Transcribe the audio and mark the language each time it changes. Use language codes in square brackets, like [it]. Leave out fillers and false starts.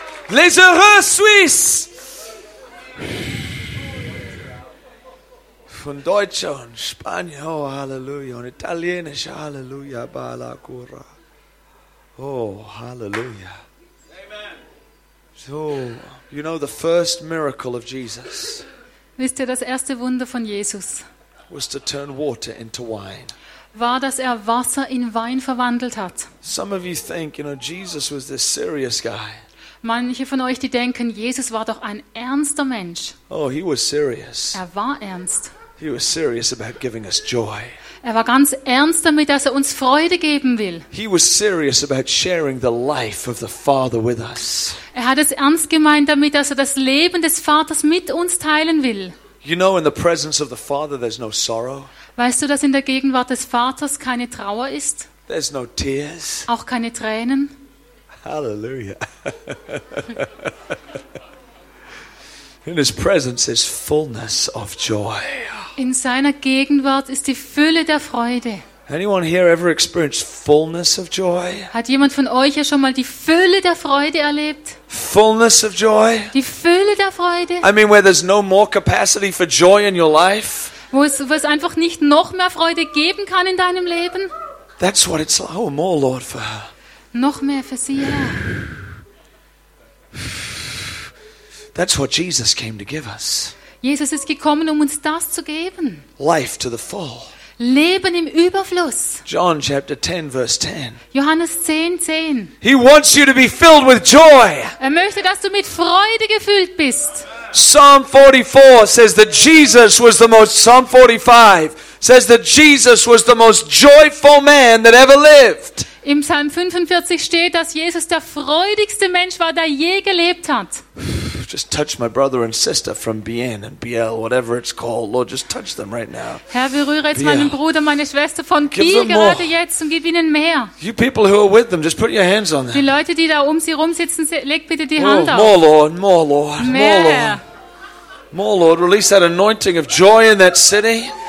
[fr] Les heureux Suisses. [de] Und Deutsche und Spanier, oh Halleluja, und Italienisch, Halleluja, Bala Cura. Oh Halleluja. Amen. [en] So, you know the first miracle of Jesus. [de] Wisst ihr, das erste Wunder von Jesus? [en] Was to turn water into wine. [de] War, dass er Wasser in Wein verwandelt hat. [en] Some of you think, you know, Jesus was this serious guy. [de] Manche von euch, die denken, Jesus war doch ein ernster Mensch. [en] Oh, he was serious. [de] Er war ernst. [en] He was serious about giving us joy. [de] Er war ganz ernst damit, dass er uns Freude geben will. [en] He was serious about sharing the life of the Father with us. [de] Er hat es ernst gemeint damit, dass er das Leben des Vaters mit uns teilen will. [en] You know, in the presence of the Father, there's no sorrow. [de] Weißt du, dass in der Gegenwart des Vaters keine Trauer ist? [en] There's no tears. [de] Auch keine Tränen. Hallelujah. [en] In his presence is fullness of joy. [de] In seiner Gegenwart ist die Fülle der Freude. [en] Anyone here ever experienced fullness of joy? [de] Hat jemand von euch ja schon mal die Fülle der Freude erlebt? [en] Fullness of joy? [de] Die Fülle der Freude? [en] I mean, where there's no more capacity for joy in your life? [de] Wo es einfach nicht noch mehr Freude geben kann in deinem Leben? [en] That's what it's like. Oh, more, Lord, for her. [de] Noch mehr für sie, Herr. [en] That's what Jesus came to give us. [de] Jesus ist gekommen, um uns das zu geben. [en] Life to the full. [de] Leben im Überfluss. [en] John chapter 10 verse 10. [de] Johannes 10, 10. [en] He wants you to be filled with joy. [de] Er möchte, dass du mit Freude gefüllt bist. [en] Psalm 44 says that Jesus was the most. Psalm 45 says that Jesus was the most joyful man that ever lived. [de] Im Psalm 45 steht, dass Jesus der freudigste Mensch war, der je gelebt hat. [en] Just touch my brother and sister from BN and BL, whatever it's called. Lord, just touch them right now. [de] Herr, berühre jetzt meinen Bruder, meine Schwester von BN gerade jetzt und gib ihnen mehr. [en] You people who are with them, just put your hands on them. [de] Die Leute, die da um sie rum sitzen, leg bitte die Hand auf. [en] More, Lord, more, Lord, [de] mehr. [en] More, Lord. More, Lord, release that anointing of joy in that city.